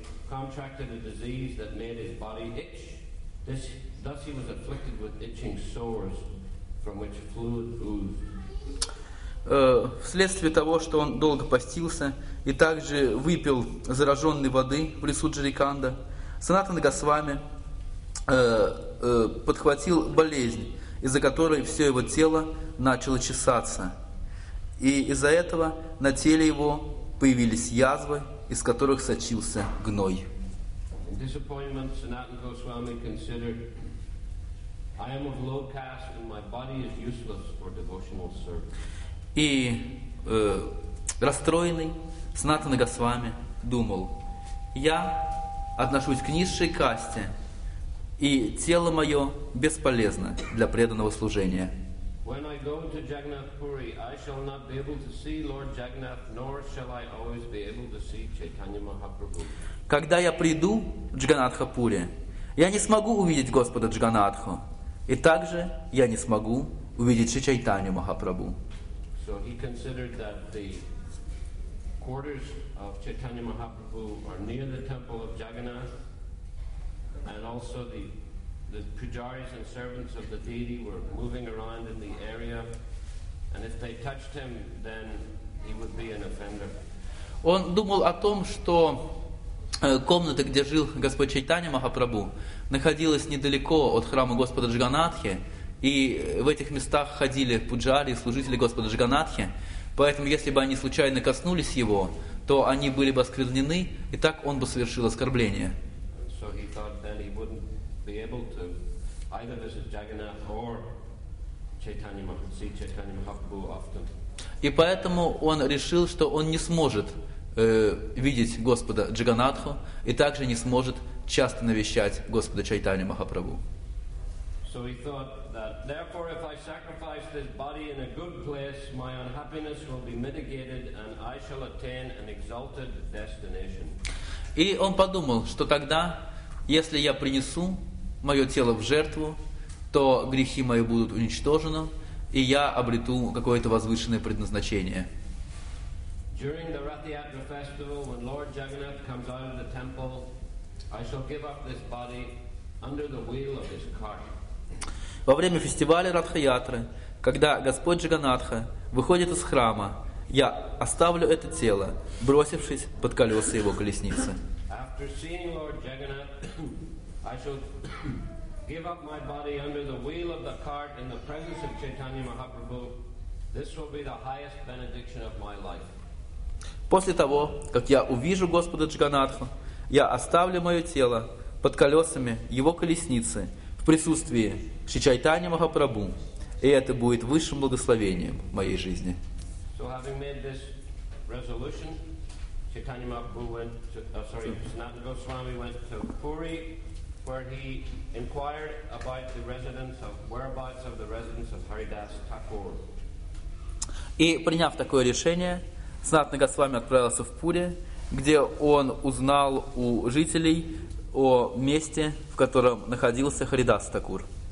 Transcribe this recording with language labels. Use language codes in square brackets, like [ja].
[en] Contracted a disease that made his body itch. Thus he was afflicted with itching sores from which fluid oozed. [ru] Вследствие того, что он долго постился и также выпил зараженной воды в лесу Джариканда, Санатана Госвами подхватил болезнь, из-за которой все его тело начало чесаться. И из-за этого на теле его появились язвы, из которых сочился гной. [en] Disappointment, Sanatana Goswami considered, I am of low caste and my body is useless for devotional service. [ru] И расстроенный Санатана Госвами думал, я отношусь к низшей касте, и тело мое бесполезно для преданного служения. [en] When I go to Jagannath Puri, I shall not be able to see Lord Jagannath, nor shall I always be able to see Chaitanya Mahaprabhu. [ru] Когда я приду в Джаганатхапури, я не смогу увидеть Господа Джаганатху, и также я не смогу увидеть Шри Чайтанью Махапрабху. [en] So he considered that the quarters of Chaitanya Mahaprabhu are near the temple of Jagannath, and also the pujaris and servants of the deity were moving around in the area, and if they touched him, then he would be an offender. [ru] Он думал о том, что комната, где жил Господь Чайтанья Махапрабху, находилась недалеко от храма Господа Джаганатхи, и в этих местах ходили пуджари, служители Господа Джаганатхи, поэтому если бы они случайно коснулись его, то они были бы осквернены, и так он бы совершил оскорбление. [en] So he thought then he wouldn't be able to either visit Jagannath or Chaitanya Mahaprabhu often. [ru] И поэтому он решил, что он не сможет видеть Господа Джаганатху и также не сможет часто навещать Господа Чайтанью Махапрабху. [en] So he thought that therefore if I sacrifice this body in a good place, my unhappiness will be mitigated and I shall attain an exalted destination. [ru] И он подумал, что тогда, если я принесу мое тело в жертву, то грехи мои будут уничтожены и я обрету какое-то возвышенное предназначение. [en] During the Rathyatra festival, when Lord Jagannath comes out of the temple, I shall give up this body under the wheel of his cart. [ru] Во время фестиваля Радха-ятры, когда Господь Джаганатха выходит из храма, я оставлю это тело, бросившись под колеса его колесницы. [en] After seeing Lord Jagannath, I shall give up my body under the wheel of the cart in the presence of Chaitanya Mahaprabhu. This will be the highest benediction of my life. [ru] После того, как я увижу Господа Джаганатху, я оставлю мое тело под колесами его колесницы в присутствии Шри Чайтанья Махапрабху, и это будет высшим благословением в моей жизни. [en] So having made this resolution, Chaitanya Mahaprabhu went to, Sanatana Goswami went to Puri, where he inquired about the residence of whereabouts of the residence of Haridas Thakur. [ru] И приняв такое решение, Санатана Госвами отправился в Пури, где он узнал у жителей о месте, в котором находился Харидас Такур.